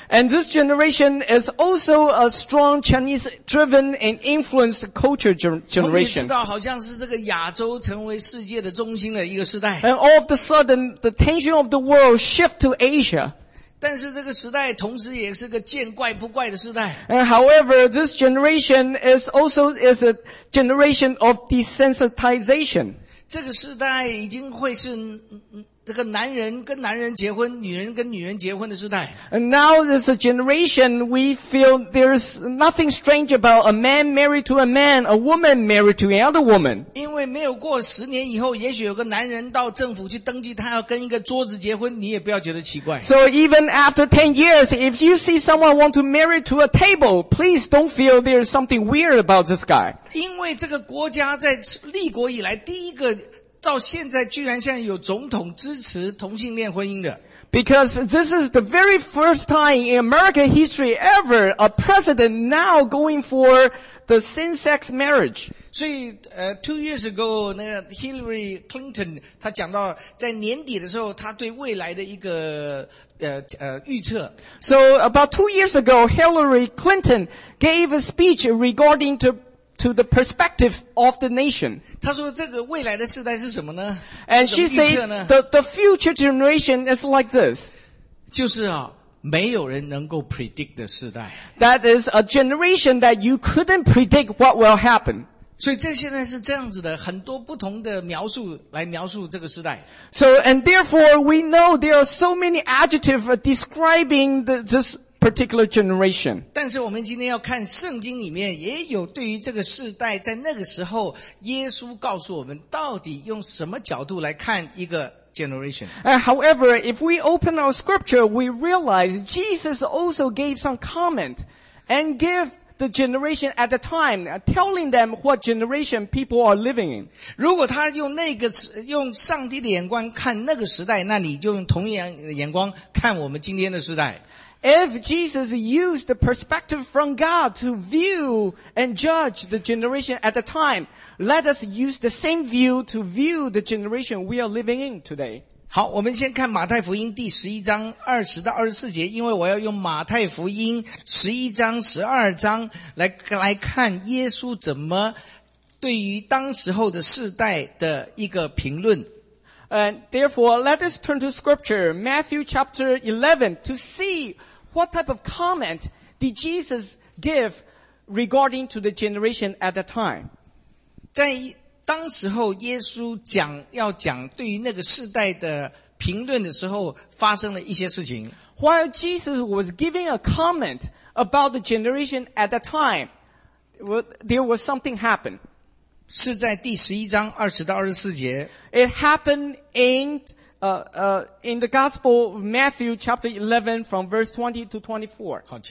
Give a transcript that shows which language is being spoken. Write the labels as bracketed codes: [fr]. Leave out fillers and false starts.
[en] And this generation is also a strong Chinese driven and influenced culture generation. [zh] 我们也知道好像是这个亚洲成为世界的中心的一个时代。 [en] And all of a sudden, the tension of the world shift to Asia. [zh] 但是这个时代同时也是个见怪不怪的时代。 [en] And however, this generation is also is a generation of desensitization. [zh] 这个时代已经会是这个男人跟男人结婚，女人跟女人结婚的时代。 [en] And now there's a generation we feel there's nothing strange about a man married to a man, a woman married to another woman. [zh] 因为没有过十年以后，也许有个男人到政府去登记，他要跟一个桌子结婚，你也不要觉得奇怪。 [en] So even after 10 years, if you see someone want to marry to a table, please don't feel there's something weird about this guy. [zh] 因为这个国家在立国以来第一个到现在居然现在有总统支持同性恋婚姻的。 [en] Because this is the very first time in American history ever a president now going for the same-sex marriage. [zh] 所以 [en] two years ago, [zh] 那个 Hillary Clinton, 他讲到在年底的时候他对未来的一个预测。 [en] So about two years ago, Hillary Clinton gave a speech regarding to the perspective of the nation. [zh] 他说这个未来的世代是什么呢？ [en] And she said the future generation is like this. [zh] 就是啊，没有人能够 predict 的世代。 [en] That is a generation that you couldn't predict what will happen. [zh] 所以这现在是这样子的，很多不同的描述来描述这个时代。 [en] So and therefore we know there are so many adjectives describing this. Particular generation. [zh] 但是我们今天要看圣经里面也有对于这个世代在那个时候耶稣告诉我们到底用什么角度来看一个 generation. [en] However, if we open our scripture, we realize Jesus also gave some comment and gave the generation at the time, telling them what generation people are living in. [zh] 如果他用那个用上帝的眼光看那个时代，那你就用同样的眼光看我们今天的时代。 [en] If Jesus used the perspective from God to view and judge the generation at the time, let us use the same view to view the generation we are living in today. [zh] 好，我们先看马太福音第11章20到24节，因为我要用马太福音11章12章来看耶稣怎么对于当时候的世代的一个评论。 [en] And therefore, let us turn to scripture, Matthew chapter 11, to see what type of comment did Jesus give regarding to the generation at that time. [zh] 在当时候耶稣讲要讲对于那个世代的评论的时候发生了一些事情。 [en] While Jesus was giving a comment about the generation at that time, there was something happened. [zh] 是在第11章20到24节。 [en] It happened in the Gospel of Matthew chapter 11 from verse 20 to 24.